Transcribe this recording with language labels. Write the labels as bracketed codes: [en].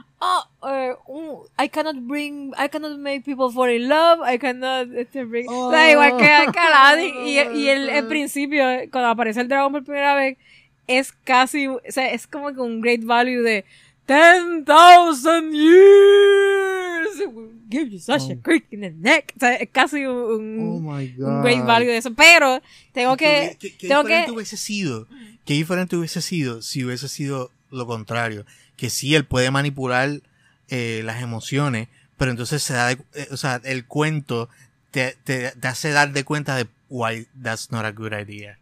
[en] Oh, I cannot make people fall in love. I cannot bring... Oh. [es] Da igual que [en] Aladdin. [es] Oh, y el principio, cuando aparece el dragón por primera vez, es casi... O sea, es como que un great value de... [en] 10,000 years Give you such a creak in the neck. [es] O sea, es casi un great value de eso. Pero tengo que... ¿Qué diferente hubiese sido si hubiese sido lo contrario? Que sí, él puede manipular las emociones, pero entonces se da... o sea, el cuento te hace dar de cuenta de [en] why that's not a good idea.